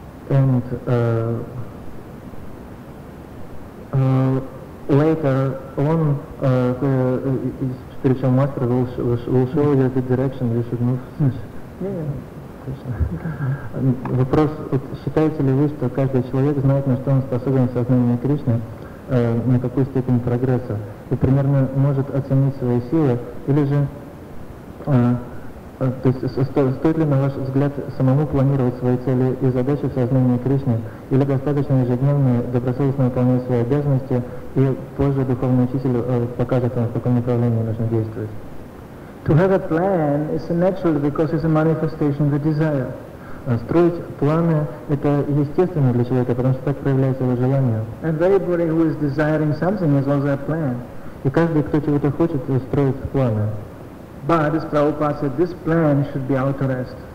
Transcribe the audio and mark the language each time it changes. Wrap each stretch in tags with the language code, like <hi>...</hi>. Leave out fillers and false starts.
<en>and later on the spiritual master will show you the direction you should move. Yeah.</en> <ru>Вопрос, вот считаете ли вы, что каждый человек знает, на что он способен в сознании Кришны, на какую степень прогресса, и примерно может оценить свои силы, или же, то есть, стоит ли, на ваш взгляд, самому планировать свои цели и задачи в сознании Кришны, или достаточно ежедневно добросовестно выполнять свои обязанности, и позже духовный учитель покажет вам, в каком направлении нужно действовать?</ru> <en>To have a plan is natural because it's a manifestation of the desire.</en> <ru>Строить планы – это естественно для человека, потому что так проявляется его желание.</ru> <en>And everybody who is desiring something has also a plan.</en> <ru>И каждый, кто чего-то хочет, строит планы.</ru> <en>But, as Prabhupada said, this plan should be authorized.</en>